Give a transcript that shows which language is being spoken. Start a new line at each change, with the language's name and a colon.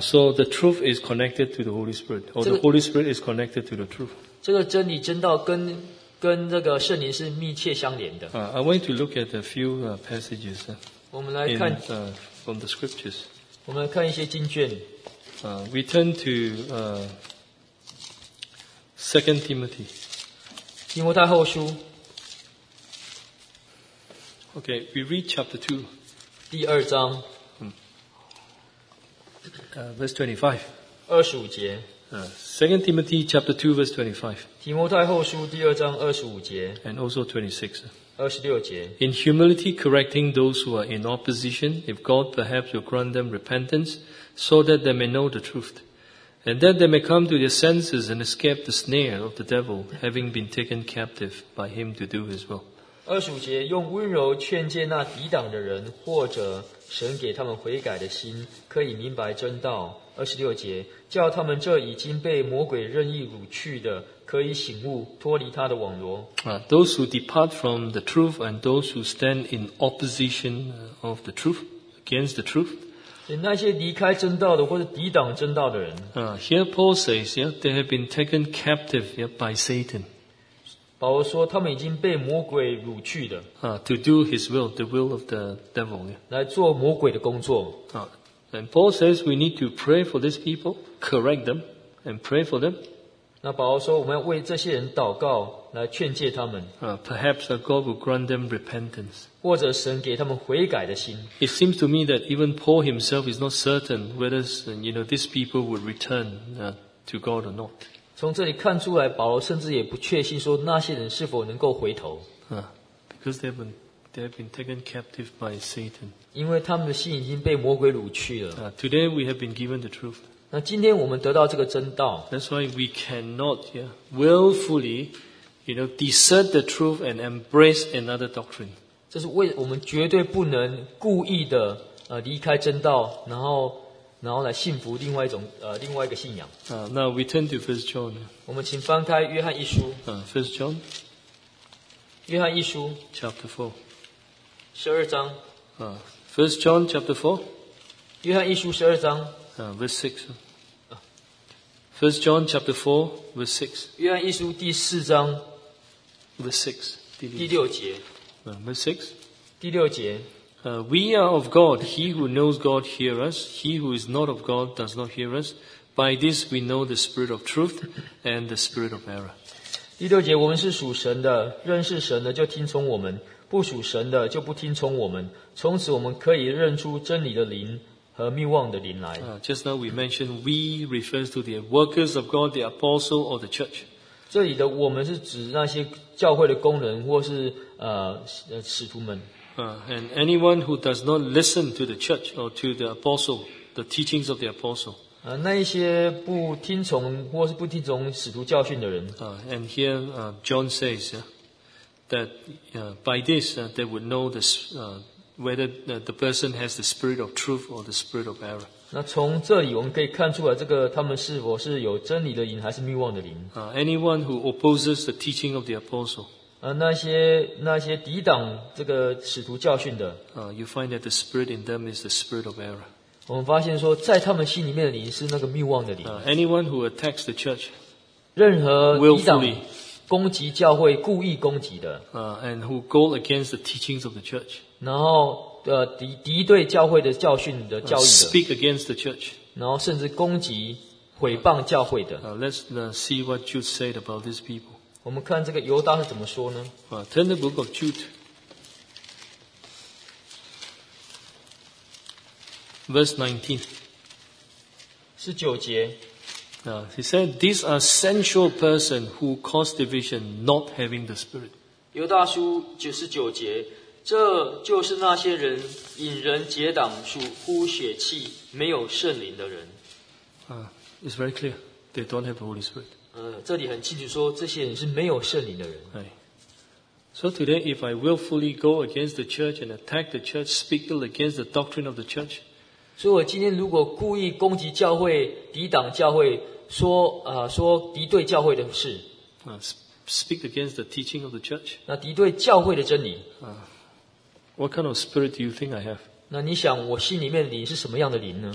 English: So the truth is connected to the Holy Spirit, or the Holy Spirit is connected to the truth.
Chinese: 这个真理真道跟这个圣灵是密切相连的
English: I want you to look at a few passages
Chinese: 我们来看
English: from the scriptures.
Chinese: 我们来看一些经卷
English: We turn to Second Timothy.
Chinese: 提摩太后书。
English: Okay, we read chapter 2.
Chinese: 第二章。
English: Verse 25.
Chinese: 二十五节。
English: Second Timothy chapter 2, verse 25.
Chinese: 提摩太后书第二章二十五节。
English: And also 26.
Chinese: 二十六节。
English: In humility correcting those who are in opposition, if God perhaps will grant them repentance, so that they may know the truth. And that they may come to their senses and escape the snare of the devil, having been taken captive by him to do his will.
Chinese: 二十五节，用温柔劝诫那抵挡的人，或者神给他们悔改的心，可以明白真道。二十六节，叫他们这已经被魔鬼任意掳去的，可以醒悟，脱离他的网罗。
English: Those who depart from the truth and those who stand in opposition of the truth, against the truth,
Chinese: 那些离开真道的或者抵挡真道的人
English: Here Paul says, they have been taken captive by Satan.
Chinese: 保罗说他们已经被魔鬼掳去的
English: To do his will, the will of the devil.
Chinese: 来做魔鬼的工作
English: And Paul says we need to pray for these people, correct them, and pray for them.
Chinese: 那保罗说我们要为这些人祷告来劝诫他们
English: Perhaps God will grant them repentance.
Chinese: 或者神给他们悔改的心
English: It seems to me that even Paul himself is not certain whether these people would return to God or not.
Chinese: 从这里看出来保罗甚至也不确信说那些人是否能够回头
English: Because they have been taken captive by Satan.
Chinese: 因为他们的心已经被魔鬼掳去了
English: Today we have been given the truth.
Chinese: 那今天我们得到这个真道
English: That's why we cannot willfully discern the truth and embrace another doctrine.
Chinese: 这是为我们绝对不能故意的离开真道，然后然后来信服另外一种另外一个信仰。
English: 那 we turn to First John。
Chinese: 我们请翻开约翰一书。
English: First John。
Chinese: 约翰一书。
English: Chapter four。
Chinese: 十二章。
English: First John chapter four。
Chinese: 约翰一书十二章。
English: Verse six。 First John chapter four verse six。
Chinese: 约翰一书第四章。
English: Verse six。
Chinese: 第六节。
English: Verse six。
Chinese: 第六节。
English: We are of God. He who knows God hears us. He who is not of God does not hear us. By this we know the spirit of truth and the spirit of error.
Chinese: 第六节，我们是属神的，认识神的就听从我们，不属神的就不听从我们。从此我们可以认出真理的灵和谬妄的灵来。
English: Just now we mentioned we refers to the workers of God, the apostle or the church.
Chinese: 这里的我们是指那些教会的工人或是使徒们。
English: And anyone who does not listen to the church or to the apostle, the teachings of the apostle.
Chinese: 那一些不听从或是不听从使徒教训的人。
English: And here, John says, that, by this, they would know this, whether the person has the spirit of truth or the spirit of error.
Chinese: 那从这里我们可以看出来这个他们是否是有真理的灵还是谬妄的灵。
English: Anyone who opposes the teaching of the apostle,
Chinese: 那些抵挡这个使徒教训的
English: you find that the spirit in them is the spirit of error.
Chinese: 我们发现说在他们心里面的灵是那个谬妄的灵。
English: Anyone who attacks the church,
Chinese: 任何抵挡攻击教会故意攻击的
English: and who go against the teachings of the church,
Chinese: 然后敌对教会的教训的教义的
English: speak against the church,
Chinese: 然后甚至攻击毁谤教会的
English: let's see what Jude said about these people.
Chinese: 我们看这个犹大是怎么说呢
English: Turn the book of Jude. Verse
Chinese: 19. 19节
English: He said, These are sensual persons who cause division, not having the Spirit.
Chinese: 犹大书19节这就是那些人引人结党属乎血气没有圣灵的人。
English: It's very clear. They don't have the Holy Spirit.
Chinese: 这里很清楚说这些人是没有圣灵的人。
English: So today, if I willfully go against the church and attack the church, speak ill against the doctrine of the church,
Chinese: 所以我今天如果故意攻击教会、抵挡教会、说敌对教会的事
English: speak against the teaching of the church,
Chinese: 那敌对教会的真理
English: what kind of spirit do you think I have?
Chinese: 那你想我心里面的灵是什么样的灵呢